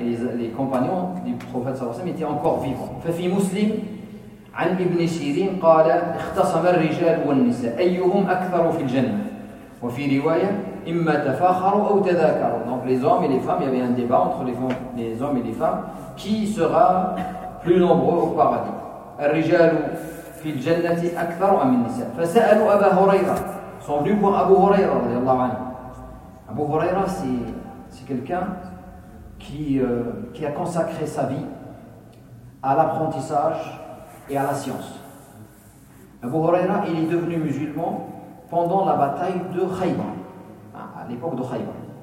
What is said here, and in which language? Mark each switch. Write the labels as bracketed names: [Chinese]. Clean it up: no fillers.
[French] Et les compagnons du prophète sallallahu alayhi wa sallam étaient encore vivants. [Arabic] ففي مسلم عن ابن سيرين قال اختصم الرجال والنساء أيهم أكثر في الجنة وفي رواية إما تفاخروا أو تذاكروا. [French] Donc les hommes et les femmes, il y avait un débat entre les hommes et les femmes, qui sera plus nombreux au paradis, [Arabic] الرجال في الجنة أكثر أم النساء. فسألوا أبا هريرة, [French] sont venus voir [Arabic] أبو هريرة رضي الله عنه. [French] أبو هريرة c'est quelqu'un qui a consacré sa vie à l'apprentissage et à la science. Abu Huraira, il est devenu musulman pendant la bataille de Khaybar, à l'époque de Khaybar.